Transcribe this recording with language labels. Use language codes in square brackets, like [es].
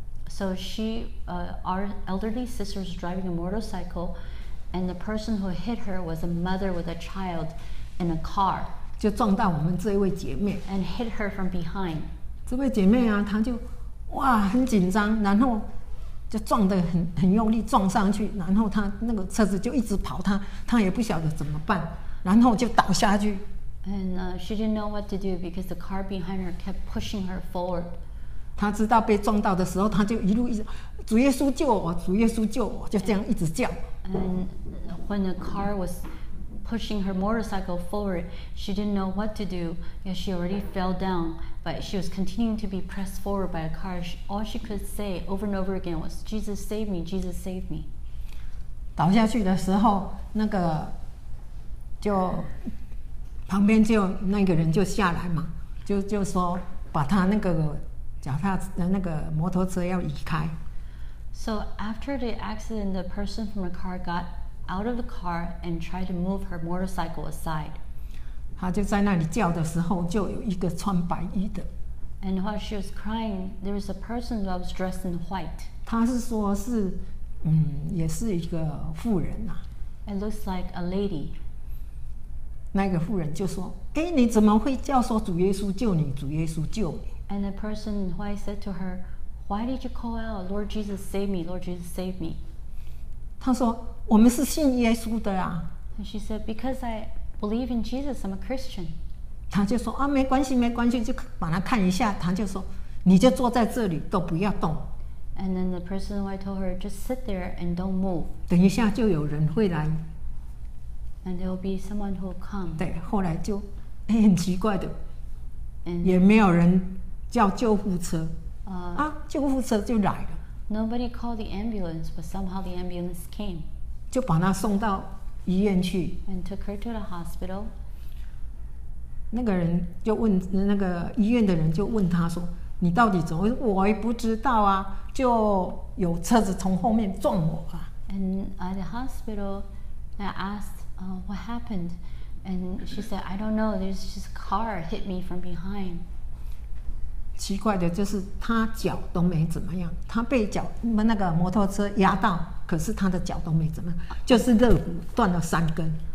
[en] So she, our elderly sister is driving a motorcycle, and the person who hit her was a mother with a child in a car. [zh] 就撞到我们这位姐妹。 [en] And hit her from behind. [zh] 这位姐妹啊，她就哇很紧张，然后就撞得很用力撞上去，然后她那个车子就一直跑她，她也不晓得怎么办，然后就倒下去。 [en] And she didn't know what to do because the car behind her kept pushing her forward. [zh] 他知道被撞到的时候，他就一路一直，主耶稣救我，主耶稣救我，就这样一直叫。 [en] And when the car was pushing her motorcycle forward, she didn't know what to do. Yet she already fell down, but she was continuing to be pressed forward by the car. All she could say over and over again was, "Jesus, save me! Jesus, save me!" [zh] 倒下去的时候，那个就旁边就那个人就下来嘛，就说把他那个。脚踏那个摩托车要移开。 [en] So after the accident, the person from the car got out of the car and tried to move her motorcycle aside. [zh] 她就在那里叫的时候，就有一个穿白衣的。 [en] And while she was crying, there was a person that was dressed in white. [zh] 她是说是，也是一个妇人呐。 [en] It looks like a lady. [zh] 那个妇人就说：“哎，你怎么会叫说主耶稣救你？主耶稣救你？” [en] And the person who I said to her, "Why did you call out, Lord Jesus, save me, Lord Jesus, save me?" [zh] 她说，我们是信耶稣的啊。 [en] And she said, "Because I believe in Jesus, I'm a Christian." [zh] 她就说，啊，没关系，没关系，就把她看一下。她就说，你就坐在这里，都不要动。 [en] And then the person who I told her, just sit there and don't move. [zh] 等一下就有人会来。 [en] And there will be someone who will come. [zh] 对，后来就，哎，很奇怪的，也没有人。叫救护车、救护车就来了。 [en] Nobody called the ambulance, but somehow the ambulance came. [zh] 就把她送到医院去。 [en] And took her to the hospital. [zh] 那个人就问，那个医院的人就问她说：“你到底怎么？” 我也不知道啊，就有车子从后面撞我啊。 [en] And at the hospital, I asked, "What happened?" And she said, "I don't know. There's just a car hit me from behind." [zh] 奇怪的就是他脚都没怎么样，他被脚那个摩托车压到，可是他的脚都没怎么样，就是肋骨断了三根。